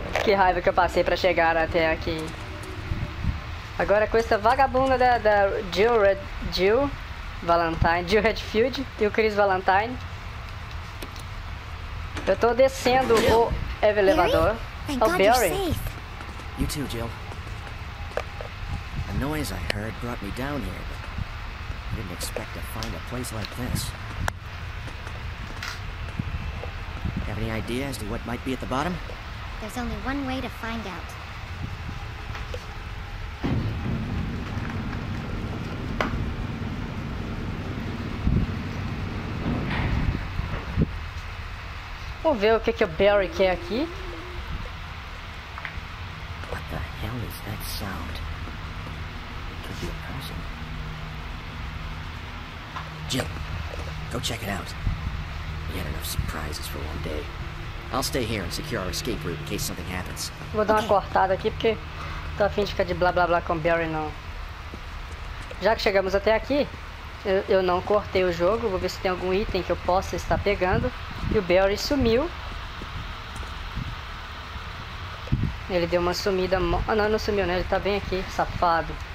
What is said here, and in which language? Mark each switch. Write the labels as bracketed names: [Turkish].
[Portuguese] Que raiva que eu passei pra chegar até aqui. Agora com essa vagabunda da Jill Red... Jill... Valentine... Jill Redfield e o Chris Valentine. Eu tô descendo o elevador. [English] Oh, Barry. You too, Jill. The noise I heard brought me down here. I didn't expect to find a place like this. Have any idea as to what might be at the bottom? There's only one way to find out. [Portuguese] Vamos ver o que que o Barry quer aqui. [English] What the hell is that sound? It could be a person. Jill, go check it out. We had enough surprises for one day. I'll stay here and secure our escape route in case something happens. [Portuguese] Vou dar uma cortada aqui porque tô a fim de ficar de blá blá blá com o Barry não. Já que chegamos até aqui, eu não cortei o jogo. Vou ver se tem algum item que eu possa estar pegando. E o Barry sumiu. Ele deu uma sumida... Ah, não, não sumiu, né? Ele tá bem aqui, safado.